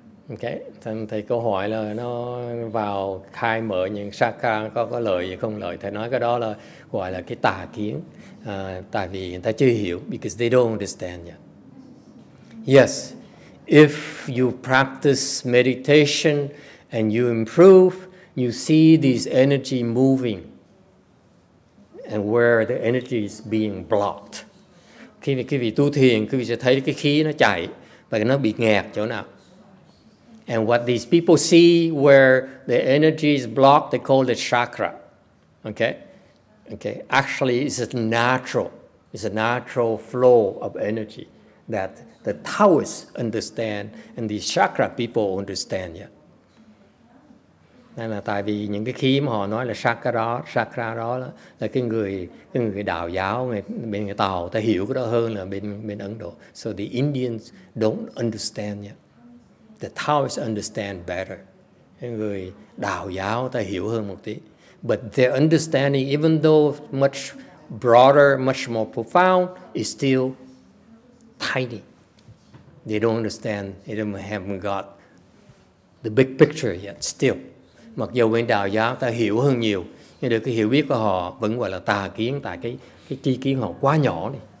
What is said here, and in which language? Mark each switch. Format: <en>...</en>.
<vi>Okay, thầy câu hỏi là nó vào khai mở những chakra có lợi hay không lợi. Thầy nói cái đó là gọi là cái tà kiến. Tại vì người ta chưa hiểu,</vi> <en>because they don't understand yet. Yes, if you practice meditation and you improve, you see this energy moving. And where the energy is being blocked.</en> <vi>Khi mà quý vị tu thiền, quý vị sẽ thấy cái khí nó chạy và nó bị nghẹt chỗ nào.</vi> <en>And what these people see where the energy is blocked, they call it chakra. Okay? Okay. Actually, it's a natural flow of energy that the Taoists understand and the chakra people understand. Yeah.</en> <vi>Nên là tại vì những cái khí mà họ nói là chakra đó là cái người đạo giáo người bên người Tàu ta hiểu cái đó hơn là bên Ấn Độ.</vi> <en>So the Indians don't understand yet. The Taoists understand better.</en> <vi>Cái người đạo giáo ta hiểu hơn một tí.</vi> <en>But their understanding, even though much broader, much more profound, is still tiny. They don't understand. They don't haven't got the big picture yet.</en> <vi>Still, mặc dù bên đạo giáo ta hiểu hơn nhiều, nhưng được cái hiểu biết của họ vẫn gọi là tà kiến, tại cái tri kiến họ quá nhỏ đi.</vi>